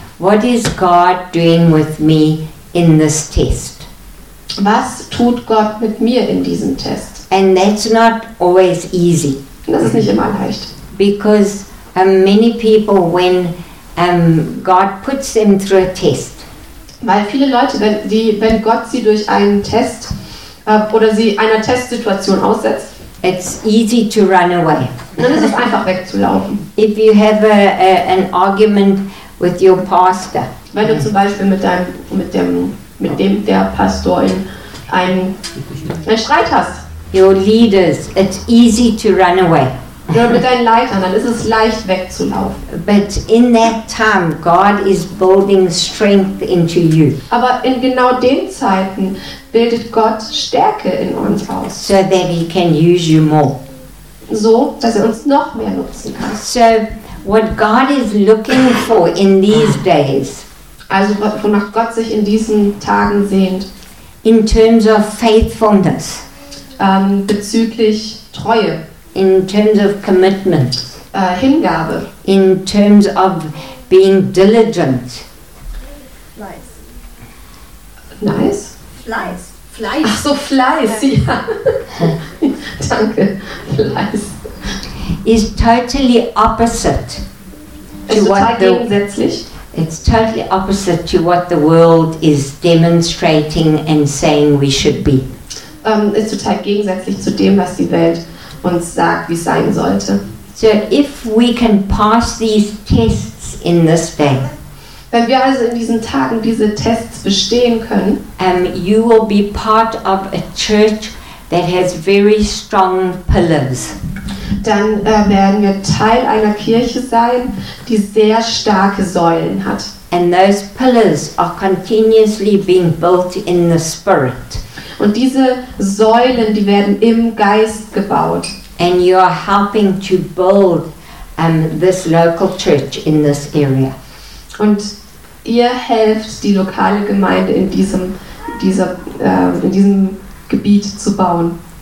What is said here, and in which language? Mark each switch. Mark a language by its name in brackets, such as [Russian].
[English] What is God doing with me in this test? [German] Was tut Gott mit mir in diesem Test? [English] And that's not always easy. [German] Das ist nicht immer leicht. [English] Because many people, when God puts them through a test, [German] weil viele Leute, wenn Gott sie durch einen Test oder sie einer Testsituation aussetzt, [English] it's easy to run away. [German] Dann ist es einfach wegzulaufen. [English] If you have an argument with your pastor, [German] wenn du zum Beispiel mit dem Pastor einen Streit hast. [English] Your leaders, it's easy to run away. [German] Nur mit deinen Leitern, dann ist es leicht wegzulaufen. [English] But in that time, God is building strength into you. [German] Aber in genau den Zeiten bildet Gott Stärke in uns aus. [English] So that he can use you more. [German] So, dass er uns noch mehr nutzen kann. [English] So, what God is looking for in these days. [German] Also, wonach Gott sich in diesen Tagen sehnt. [English] In terms of faithfulness. [German] Bezüglich Treue. [English] In terms of commitment. [German] Hingabe. [English] In terms of being diligent. [German] Fleiß. [English] Nice. [German] Fleiß. Fleiß. Ach so, Fleiß, ja. Danke. Fleiß. [English] Is totally opposite. It's totally opposite to what the world is demonstrating and saying we should be. [German] Ist total gegensätzlich zu dem, was die Welt uns sagt, wie es sein sollte. [English] So if we can pass these tests in this day, [German] wenn wir also in diesen Tagen diese Tests bestehen können, [English] you will be part of a church that has very strong pillars. [German] Dann werden wir Teil einer Kirche sein, die sehr starke Säulen hat. [English] And those pillars are continuously being built in the Spirit. [German] Und diese Säulen, die werden im Geist gebaut. [English] And you are helping to build this local church in this area. [German] Und ihr helft die lokale Gemeinde in diesem Gebiet zu bauen.